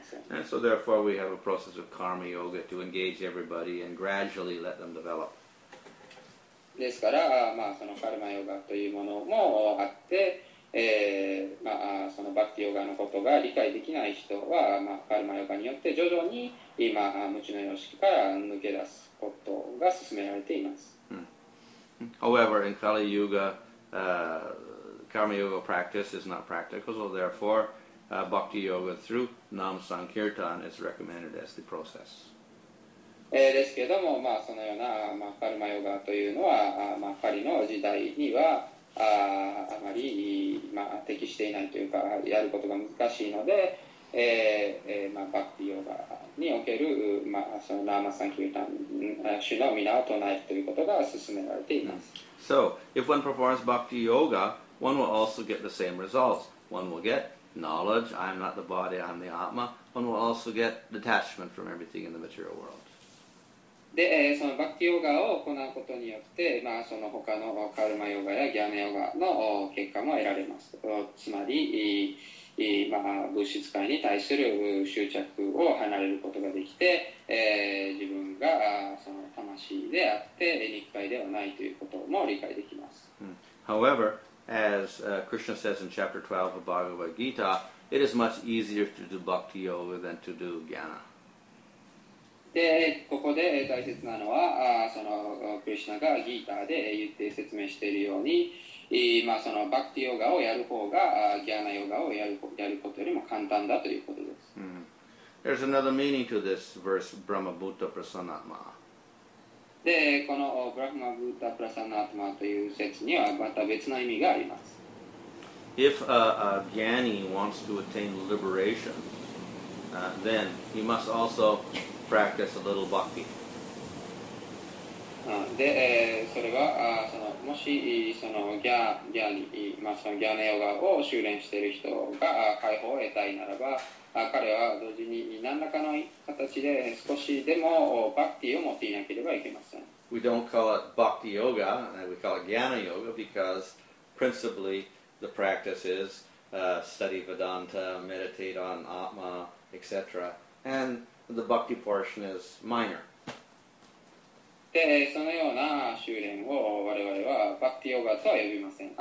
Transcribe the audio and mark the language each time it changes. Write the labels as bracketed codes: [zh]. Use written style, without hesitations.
[en] And so therefore we have a process of karma yoga to engage everybody and gradually let them develop. [ja] ですから、まあ、そのカルマヨガというものもあって、まあ、そのバクティヨガのことが理解できない人は、まあ、カルマヨガによって徐々に今、まあ、無知の様式から抜け出すことが進められています。 [en] Hmm. However, in Kali Yuga, Karma Yoga practice is not practical, so therefore, Bhakti Yoga through Nam Sankirtan is recommended as the process. [ja] ですけども、まあ、そのような、まあ、カルマヨガというのは、まあ、カリの時代にはあまり、まあ、適していないというかやることが難しいので、まあ、バクティヨガにおける、まあ、そのラーマサンキュータン主の皆を唱えるということが進められています、mm. [en] So, if one performs Bhakti Yoga, one will also get the same results. One will get knowledge, I am not the body, I am the Atma. One will also get detachment from everything in the material world [ja] で、そのバクティヨガを行うことによって、まあ、その他のカルマヨガやギャーナヨガの結果も得られます。つまり、まあ、物質界に対する執着を離れることができて、自分がその魂であって、肉体ではないということも理解できます。 [en] However, as Krishna says in chapter 12 of Bhagavad Gita, it is much easier to do bhakti yoga than to do jnana. [ja] でここで大切なのはそのクリシュナがギーターで言って説明しているように、まあ、そのバクティヨガをやる方がギャーナヨガをやることよりも簡単だということです、 mm-hmm. [en] There's another meaning to this verse Brahma Bhuta Prasannatma [ja] でこの Brahma Bhuta Prasannatma という説にはまた別の意味があります [en] If a Jnani wants to attain liberation then he must alsopractice a little bhakti. [ja] で、それは、その、もし、その、ギャーニ、まあ、その、ギャーナヨガを修練している人が解放を得たいならば、彼は同時に何らかの形で少しでもバクティを持っていなければいけません。 [en] We don't call it bhakti yoga, we call it jnana yoga because principally the practice is study Vedanta, meditate on Atma, etc. AndThe bhakti portion is minor. [ja] で、そのような修練を我々はバクティヨガとは呼びません。